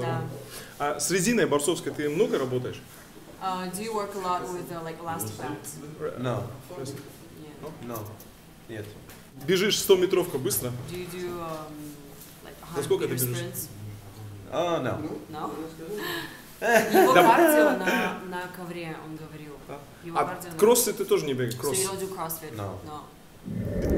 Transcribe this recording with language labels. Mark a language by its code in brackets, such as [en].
[ru] Да. А с резиной борцовской ты много работаешь? [en] Do you work a lot with like elastic bands? No. Yeah. No. [ru] Нет. Бежишь 100 метровку быстро? [en] Do you do like 100 meter sprints? Oh, no. No? [ru] Его кардио на ковре, он говорил. А кроссы ты тоже не бегаешь? [en] So you don't do crossfit? No.